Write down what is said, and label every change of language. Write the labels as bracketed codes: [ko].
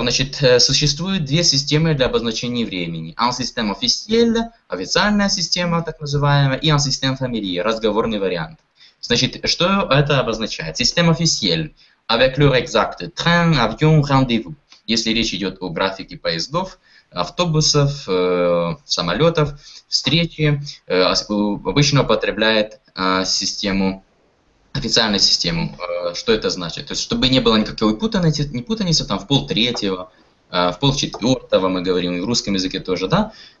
[ru] Значит, существуют две системы для обозначения времени. [fr] Un système officiel, [ru] официальная система, так называемая, и [fr] un système familier, [ru] разговорный вариант. Значит, что это обозначает? [fr] Система officiel, avec l'heure exacte, train, avion, rendez-vous. [ru] Если речь идет о графике поездов, автобусов, самолетов, встречи, обычно употребляет систему, официальную систему. Что это значит? То есть, чтобы не было никакой путаницы, там в полтретьего, в полчетвертого мы говорим, и в русском языке тоже, да?